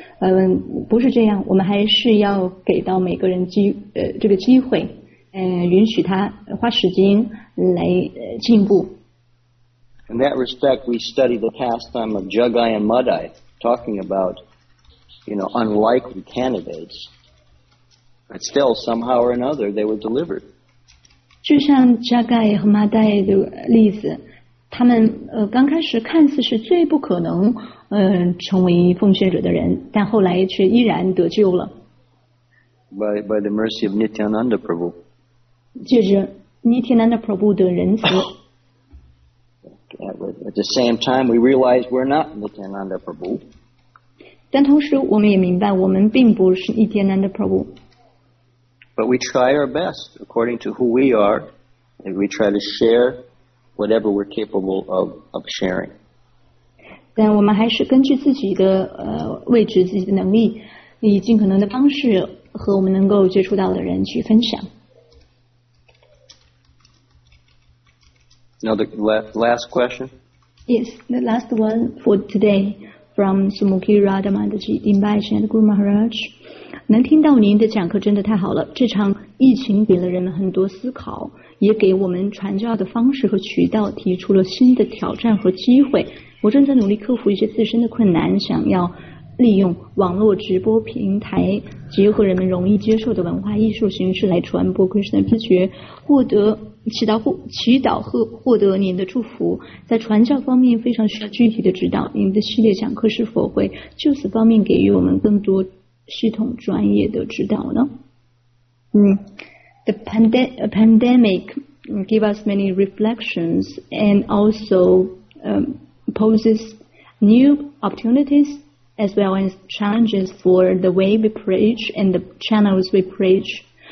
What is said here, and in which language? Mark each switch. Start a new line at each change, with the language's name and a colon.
Chinese: 嗯，不是这样，我们还是要给到每个人这个机会，允许他花时间来进步。
English: In that respect, we study the pastime of Jagai and Madai, talking about, you know, unlikely candidates. But still, somehow or another, they were delivered.
Chinese: 就像 Jagai 和 Madai 的例子，他们刚开始看似是最不可能成为奉献者的人，但后来却依然得救了。
English: By the mercy of Nityananda Prabhu.
Chinese: 借着 Nityananda Prabhu 的仁慈。
English: At the same time, we realize we're not Nityananda Prabhu.
Chinese: 但同时，我们也明白我们并不是 Nityananda Prabhu.
English: But we try our best according to who we are, and we try to share whatever we're capable of sharing.
Chinese: 但我们还是根据自己的位置、自己的能力，以尽可能的方式和我们能够接触到的人去分享。
English: Now the last question. Yes, the last one for today from Sumukhi Radhamandaji Dimbaji and Guru Maharaj.
Chinese: 能听到您的讲课真的太好了。这场疫情给了人们很多思考，也给我们传教的方式和渠道提出了新的挑战和机会。我正在努力克服一些自身的困难，想要利用网络直播平台结合人们容易接受的文化艺术形式来传播 Krishna 之觉，获得祈祷和获得您的祝福。在传教方面非常需要具体的指导，您的系列讲课是否会就此方面给予我们更多系统专业的指导呢？
English: The pandemic give us many reflections and also poses new opportunities as well as challenges for the way we preach and the channels we preach.